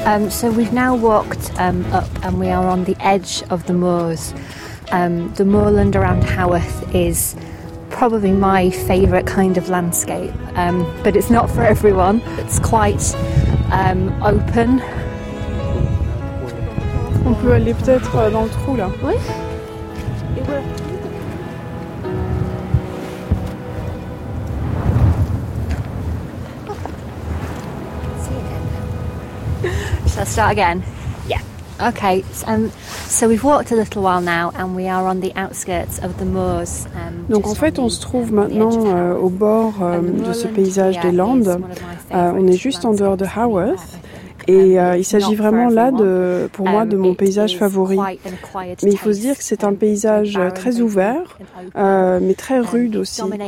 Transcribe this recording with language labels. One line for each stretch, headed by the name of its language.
English: So we've now walked up and we are on the edge of the moors. The moorland around Haworth is probably my favourite kind of landscape, but it's not for everyone. It's quite open.
French: On peut aller peut-être dans le trou là. Oui.
English: Let's start again. Yeah. Okay. So we've walked a little while now and we are on the outskirts of the moors.
French: Donc en fait, on se trouve maintenant au bord de ce paysage des Landes. On est juste en dehors de Haworth. Et il s'agit vraiment là, pour moi, de mon paysage favori. Mais il faut se dire que c'est un paysage très ouvert, mais très rude aussi.